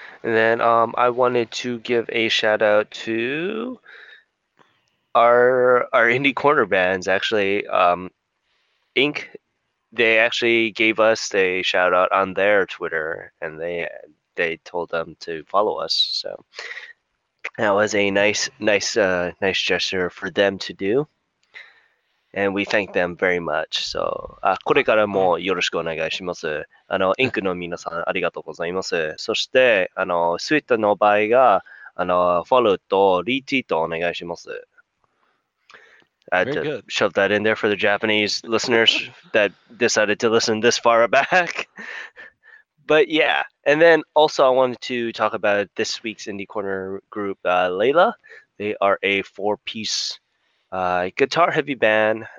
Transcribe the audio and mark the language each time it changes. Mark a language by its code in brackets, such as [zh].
[en] And then I wanted to give a shout out to our indie corner bands, actually. Ink, they actually gave us a shout out on their Twitter, and they told them to follow us. So that was a nice gesture for them to do. And we thank them very much. [ja] So, これからもよろしくお願いします。あの、インクの皆さん、ありがとうございます。そして、あの、スイッターの場合が、あの、フォローとリツイートお願いします。 [en] Very good. Shove that in there for the Japanese listeners that decided to listen this far back. But yeah, and then also I wanted to talk about this week's Indie Corner group, Layla. They are a four-piece guitar heavy band.